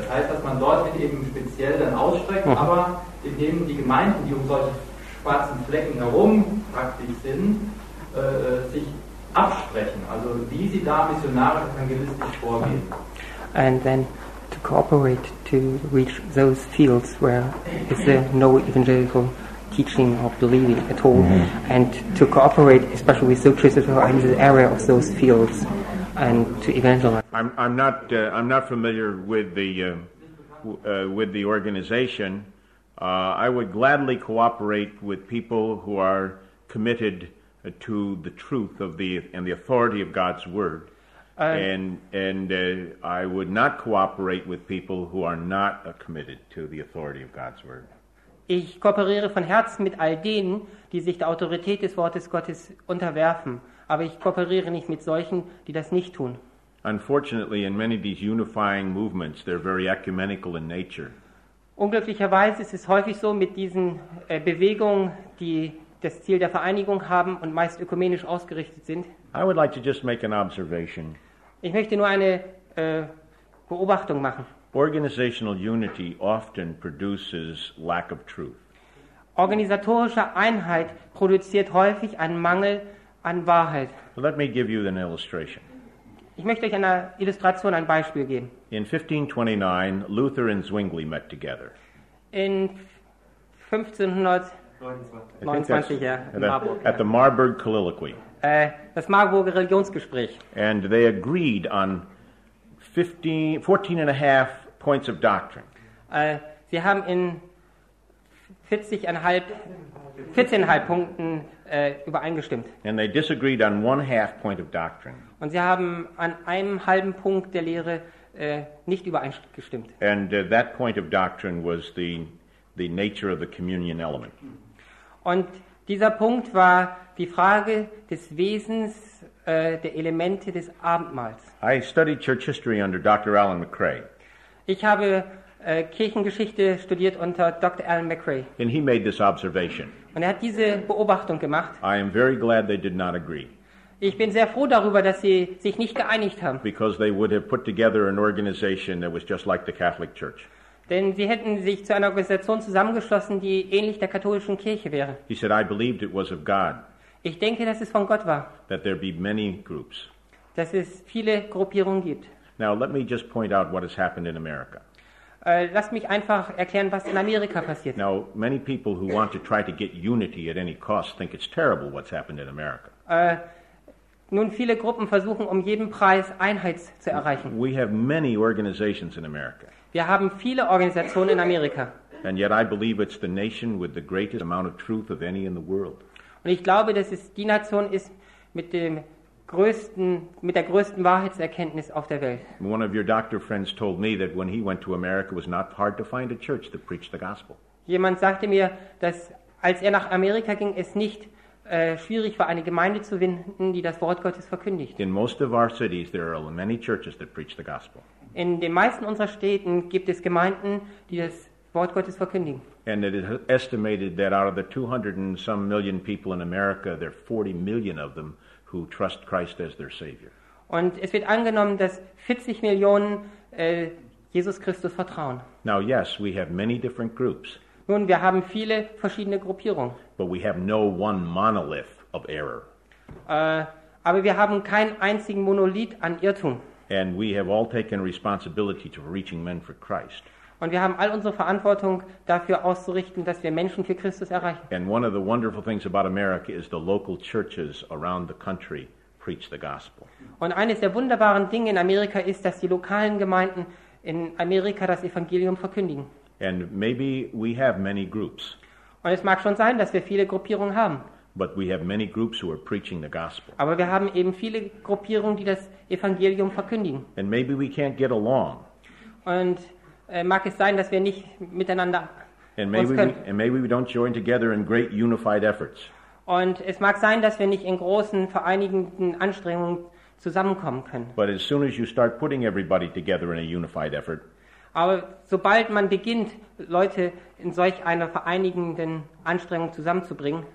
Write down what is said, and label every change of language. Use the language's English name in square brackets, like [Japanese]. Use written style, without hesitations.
[German] Das heißt, dass man dort eben speziell dann ausstreckt, aber indem die Gemeinden, die um solche schwarzen Flecken herum praktisch sind, sich absprechen, also wie sie da missionarisch evangelistisch vorgehen. [English] And then to cooperate to reach those fields where is there no evangelical teaching or believing at all, and to cooperate especially with those churches who are in the area of those fields and to evangelize. I'm not familiar with the organization. I would gladly cooperate with people who are committed to the truth of the and the authority of God's word. I would not cooperate with people who are not committed to the authority of God's word. [German] Ich kooperiere von Herzen mit all denen, die sich der Autorität des Wortes Gottes unterwerfen, aber ich kooperiere nicht mit solchen, die das nicht tun. [English] Unfortunately, in many of these unifying movements, they're very ecumenical in nature. [German] Unglücklicherweise ist es häufig so mit diesen Bewegungen, die das Ziel der Vereinigung haben und meist ökumenisch ausgerichtet sind. [English] I would like to just make an observation. [German] Ich möchte nur eine Beobachtung machen. [English] Organizational unity often produces lack of truth. [German] Organisatorische Einheit produziert häufig einen Mangel an Wahrheit. [English] Let me give you an illustration. [German] Ich möchte euch eine Illustration, ein Beispiel geben. [English] In 1529, Luther and Zwingli met together. [German] In 1529, ja, in [English] Marburg. At the Marburg Colloquy. [German] Das Marburger Religionsgespräch. [English] And they agreed on 14 and a half points of doctrine. [German] Sie haben in 14,5 Punkten übereingestimmt. [English] And they disagreed on one half point of doctrine. [German] Und sie haben an einem halben Punkt der Lehre nicht übereingestimmt. [English] And that point of doctrine was the nature of the communion element. [German] Und dieser Punkt war die Frage des Wesens der Elemente des Abendmahls. [English] I studied church history under Dr. Alan McRae. [German] Ich habe Kirchengeschichte studiert unter Dr. Alan McRae. [English] And he made this observation. [German] Und hat diese Beobachtung gemacht. [English] I am very glad they did not agree. [German] Ich bin sehr froh darüber, dass sie sich nicht geeinigt haben. [English] Because they would have put together an organization that was just like the Catholic Church. [German] Denn sie hätten sich zu einer Organisation zusammengeschlossen, die ähnlich der katholischen Kirche wäre. [English] He said, I believed it was of God. [German] Ich denke, dass es von Gott war. [English] That there be many groups. [German] Dass es viele Gruppierungen gibt. [English] Now let me just point out what has happened in America. [German] Lass mich einfach erklären, was in Amerika passiert. [English] Now many people who want to try to get unity at any cost think it's terrible what's happened in America. [German] Nun viele Gruppen versuchen um jeden Preis Einheit zu erreichen. [English] We have many organizations in America. [German] Wir haben viele Organisationen in Amerika. [English] And yet I believe it's the nation with the greatest amount of truth of any in the world. [German] Und ich glaube, dass es die Nation ist mit dem größten, mit der größten Wahrheitserkenntnis auf der Welt. [English] One of your doctor friends told me that when he went to America, it was not hard to find a church that preached the gospel. [German] Jemand sagte mir, dass als nach Amerika ging, es nicht schwierig war, eine Gemeinde zu finden, die das Wort Gottes verkündigt. [English] In most of our cities, there are many churches that preach the gospel. [German] In den meisten unserer Städten gibt es Gemeinden, die das Wort Gottes verkündigen. [English] And it is estimated that out of the 200 and some million people in America, there are 40 million of them who trust Christ as their Savior. [German] Und es wird angenommen, dass 40 Millionen Jesus Christus vertrauen. [English] Now, yes, we have many different groups. [German] Nun, wir haben viele verschiedene Gruppierungen. [English] But we have no one monolith of error. [German] Aber wir haben keinen einzigen Monolith an Irrtum. [English] And we have all taken responsibility to reaching men for Christ. [German] Und wir haben all unsere Verantwortung dafür auszurichten, dass wir Menschen für Christus erreichen. [English] And one of the wonderful things about America is the local churches around the country preach the gospel. [German] Und eines der wunderbaren Dinge in Amerika ist, dass die lokalen Gemeinden in Amerika das Evangelium verkündigen. [English] And maybe we have many groups. [German] Und es mag schon sein, dass wir viele Gruppierungen haben. [English] But we have many groups who are preaching the gospel. [German] Aber wir haben eben viele Gruppierungen, die das Evangelium verkündigen. [English] And maybe we can't get along. [German] Und mag es sein, dass wir nicht miteinander [English] And maybe we don't join together in great unified efforts. [German] Und es mag sein, dass wir nicht in großen vereinigenden Anstrengungen zusammenkommen können. [English] But as soon as you start putting everybody together in a unified effort. [German] Aber sobald man beginnt, Leute in solch einer vereinigenden Anstrengung zusammenzubringen,